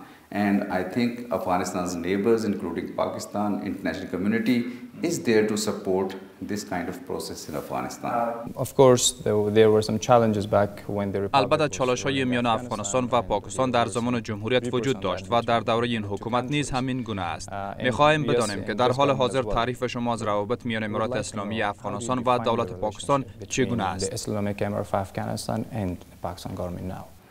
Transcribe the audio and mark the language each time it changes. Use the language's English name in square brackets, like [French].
[English] And I think Afghanistan's neighbors, including Pakistan, international community, is there to support this kind of process in Afghanistan. Of course, there were some challenges back when the Republic. [Persian] البته چالش‌های میان افغانستان و پاکستان در زمان جمهوریت وجود داشت و در دوره این حکومت نیز همین گونه است. می‌خواهیم بدانیم که در حال حاضر تعریف شما از روابط میان امارات اسلامی افغانستان و دولت پاکستان چگونه است؟ [English] The Islamic Emirate of Afghanistan and the Pakistan government now.